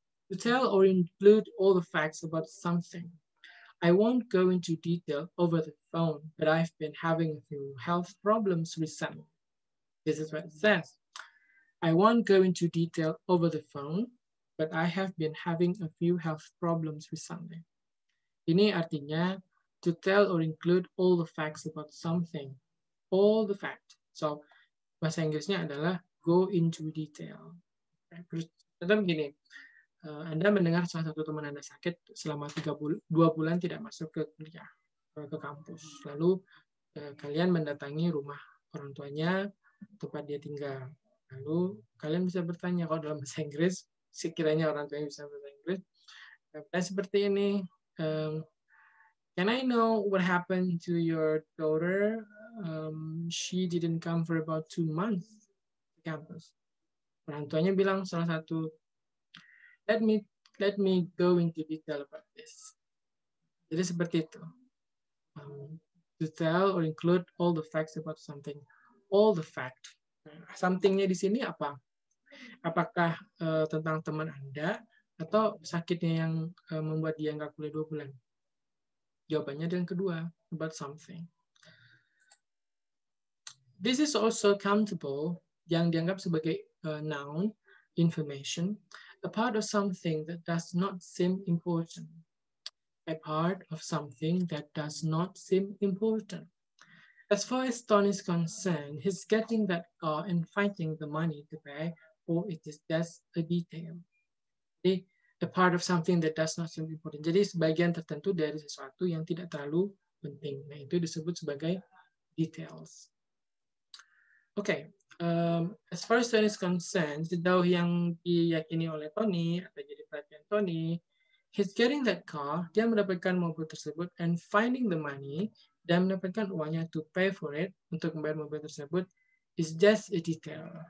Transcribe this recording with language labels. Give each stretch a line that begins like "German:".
English: To tell or include all the facts about something. I won't go into detail over the phone, but I've been having a few health problems recently. This is what it says. I won't go into detail over the phone, but I have been having a few health problems recently.
Indonesian: Ini artinya,
English: to tell or include all the facts about something. All the facts.
Indonesian: So, bahasa Inggrisnya adalah go into detail. Contohnya begini, Anda mendengar salah satu teman Anda sakit selama 2 bulan tidak masuk ke kuliah, ke kampus. Lalu, kalian mendatangi rumah orang tuanya, tempat dia tinggal. Lalu, kalian bisa bertanya, kalau dalam bahasa Inggris, sekiranya orang tuanya bisa bahasa Inggris, seperti ini,
English: can I know what happened to your daughter? She didn't come for about 2 months to campus.
Indonesian: Orang tuanya bilang salah satu,
English: let me go into detail about this.
Indonesian: Jadi seperti itu.
English: To tell or include all the facts about something. All the fact.
Indonesian: Something-nya di sini apa? Apakah tentang teman Anda atau sakitnya yang membuat dia nggak kuliah 2 bulan? Jawabannya yang kedua,
English: about something. This is also countable,
Indonesian: yang dianggap sebagai noun,
English: information, a part of something that does not seem important. A part of something that does not seem important. As far as Tony's concerned, he's getting that car and finding the money to pay, or it is just a detail. Okay? A part of something that does not seem important.
Indonesian: Jadi sebagian tertentu dari sesuatu yang tidak terlalu penting. Nah, itu disebut sebagai details.
English: Okay, as far as Tony is concerned,
Indonesian: sejauh yang diyakini oleh Tony, atau jadi perhatian Tony,
English: he's getting that car,
Indonesian: dia mendapatkan mobil tersebut,
English: and finding the money,
Indonesian: dan mendapatkan uangnya
English: to pay for it,
Indonesian: untuk membayar mobil tersebut,
English: is just a detail.